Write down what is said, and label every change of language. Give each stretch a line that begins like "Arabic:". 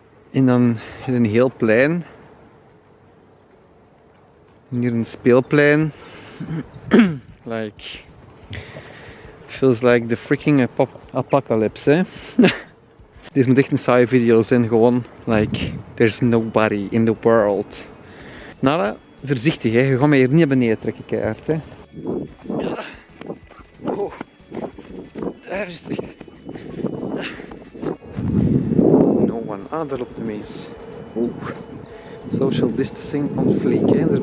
Dutch: En dan een heel plein. En hier een speelplein.
English: Feels like the freaking apocalypse,
Dutch: hè? Dit moet echt een saaie video zijn, gewoon.
English: There's nobody in the world.
Dutch: Nala, voorzichtig, hè? Je gaat mij hier niet beneden trekken, keihard, hè? Ja. Oh. Daar is die.
English: No one.
Dutch: Ah, daar loopt de mees. Oeh.
English: Social distancing on fleek,
Dutch: hè?